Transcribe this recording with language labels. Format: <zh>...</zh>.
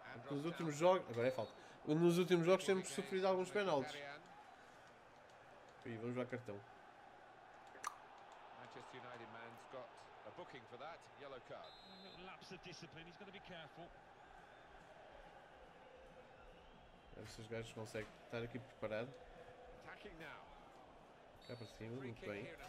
<pt>Nos últimos jogos, agora é falta. Nos últimos jogos temos sofrido alguns penaltis. E vamos lá, cartão.</pt> <en>Manchester United man's got a booking for that yellow card. Lapse of discipline, he's got to be careful.</en> <pt>Esses gajos conseguem estar aqui preparado.</pt> <en>Attacking now.</en> <pt>Cá para cima, muito bem.</pt>